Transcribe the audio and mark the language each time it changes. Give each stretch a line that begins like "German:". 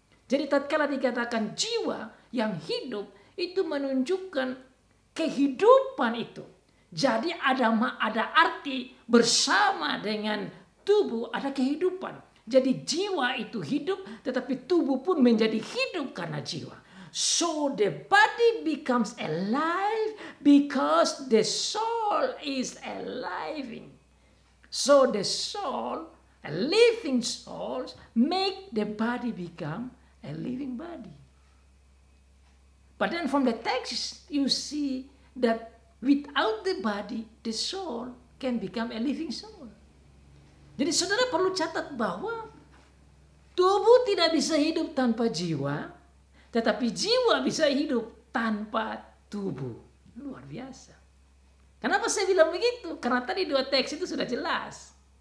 Indonesian: Jadi tatkala dikatakan jiwa yang hidup, itu menunjukkan kehidupan itu. Jadi ada arti bersama dengan tubuh ada kehidupan. Jadi jiwa itu hidup, tetapi tubuh pun menjadi hidup karena jiwa.
English: So the body becomes alive because the soul is alive. So the soul, a living soul, make the body become a living body. But then from the text, you see that without the body, the soul can become a living soul.
Indonesian: Jadi saudara perlu catat bahwa tubuh tidak bisa hidup tanpa jiwa, tetapi jiwa bisa hidup tanpa tubuh. Luar biasa. Kenapa saya bilang begitu? Karena tadi dua teks itu sudah jelas.